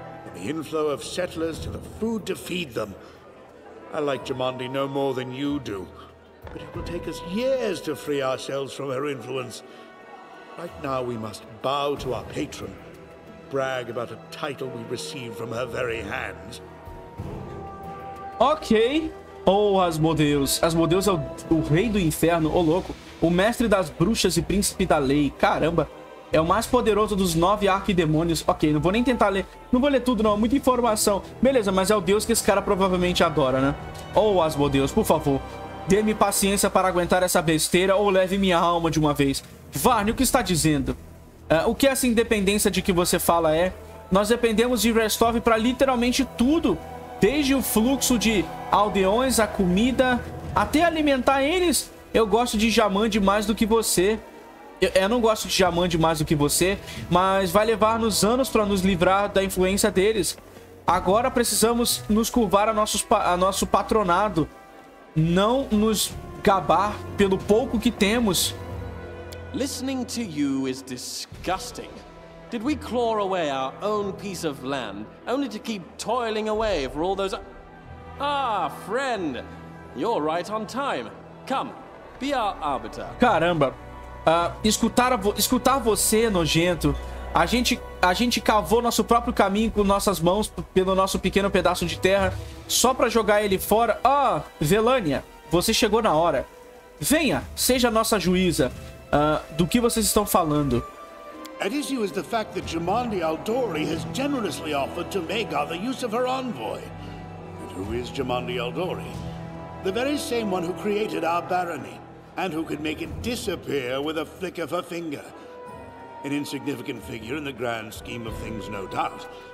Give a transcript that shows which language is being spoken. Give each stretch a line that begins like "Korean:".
English: From the inflow of settlers to the food to feed them. I like Jamondi no more than you do. But it will take us years to free ourselves from her influence. Right now we must bow to our patron. Brag about a title we receive from her very hands. Okay. Oh, Asmodeus.
Portuguese: Asmodeus é o rei do inferno, ô louco. O mestre das bruxas e príncipe da lei. Caramba. É o mais poderoso dos 9 arquidemônios. Ok, não vou nem tentar ler. Não vou ler tudo, não. Muita informação. Beleza, mas é o deus que esse cara provavelmente adora, né? Oh, Asmodeus, por favor. Dê-me paciência para aguentar essa besteira ou leve minha alma de uma vez. Vaughn, o que está dizendo? O que é essa independência de que você fala é? Nós dependemos de Restov para literalmente tudo. Desde o fluxo de aldeões, a comida, até alimentar eles. Eu gosto de Jamande mais do que você. Eu não gosto de Jamande mais do que você, mas vai levar-nos anos para nos livrar da influência deles. Agora precisamos nos curvar a nosso patronado. Não nos gabar pelo pouco que temos.
English: Listening to you is disgusting. Did we claw away our own piece of land only to keep toiling away for all those... Ah, friend. You're right on time. Come.
Portuguese: Caramba, escutar você, nojento. A gente cavou nosso próprio caminho com nossas mãos pelo nosso pequeno pedaço de terra, só pra jogar ele fora. Ah, Velania, você chegou na hora. Venha, seja nossa juíza. Do que vocês estão falando?
English: A issue is the fact that Jamondi Aldori has generously offered to Magar the use of her envoy. And who is Jamondi Aldori? The very same one who created our barony. And who could make it disappear with a flick of her finger. An insignificant figure in the grand scheme of things, no doubt.